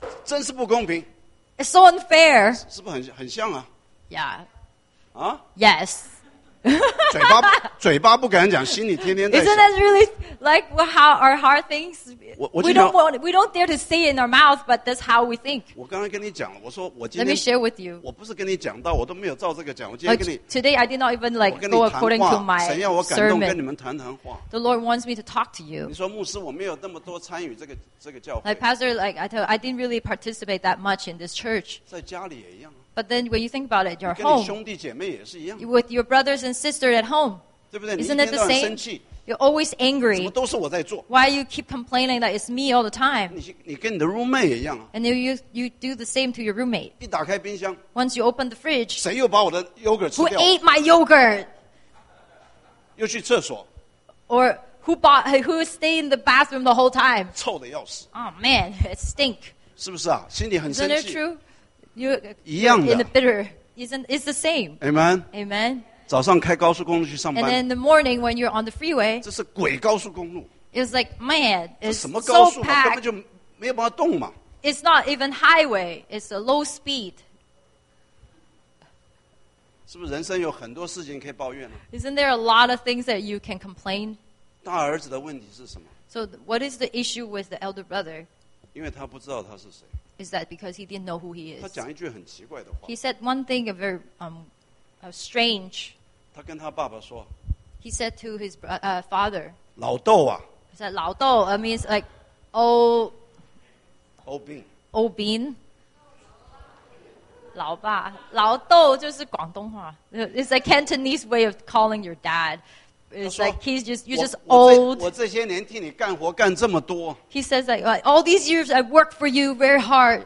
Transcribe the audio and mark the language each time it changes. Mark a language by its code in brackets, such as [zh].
[zh] 真是不公平。 [en] It's so unfair. [zh] 是不是很像啊？ [en] Yeah. 啊？ Yes. [zh] 嘴巴不敢讲，心里天天在想。 [en] Isn't that really like how our heart thinks? We don't dare to say it in our mouth, but that's how we think. [zh] 我刚才跟你讲了，我说我今天。 [en] Let me share with you. [zh] 我不是跟你讲到，我都没有照这个讲。我今天跟你。 [en] Like, today I did not even like go according to my sermon. [zh] 神要我感动，跟你们谈谈话。 [en] The Lord wants me to talk to you. [zh] 你说牧师，我没有那么多参与这个教会。 [en] Like pastor, like I told, I didn't really participate that much in this church. [zh] 在家里也一样。 [en] But then when you think about it, your home, with your brothers and sisters at home, [zh] 对不对？ [en] Isn't it the same? You're always angry. [zh] 怎么都是我在做？ [en] Why you keep complaining that it's me all the time? [zh] 你跟你的 roommate 也一样啊。 [en] And then you do the same to your roommate. [zh] 一打开冰箱， [en] Once you open the fridge, [zh] 谁又把我的 yogurt 吃掉？ [en] Who ate my yogurt? [zh] 又去厕所。 [en] Or who stayed in the bathroom the whole time? [zh] 臭的要死。 [en] Oh man, it stink. [zh] 是不是啊？心里很生气。 [en] Isn't it true? You're in the bitter. It's the same. Amen. Amen. [zh] 早上开高速公路去上班。 [en] And then in the morning when you're on the freeway. [zh] 这是鬼高速公路。 [en] It's like, man, it's so packed. [zh] 这什么高速嘛，根本就没有办法动嘛。 [en] It's not even highway. It's a low speed. [zh] 是不是人生有很多事情可以抱怨呢？ [en] Isn't there a lot of things that you can complain? [zh] 大儿子的问题是什么？ [en] So what is the issue with the elder brother? [zh] 因为他不知道他是谁。 [en] Is that because he didn't know who he is? [zh] 他讲一句很奇怪的话。 [en] He said one thing, a very strange. [zh] 他跟他爸爸说。 [en] He said to his father. [zh] 老豆啊。 [en] He said 老豆 ，it means like old. Old bean. Old bean. [zh] 老爸，老豆就是广东话。 [en] It's a Cantonese way of calling your dad. It's like he's just, you're just old. [zh] 我这些年替你干活干这么多。 [en] He says like, all these years I've worked for you very hard.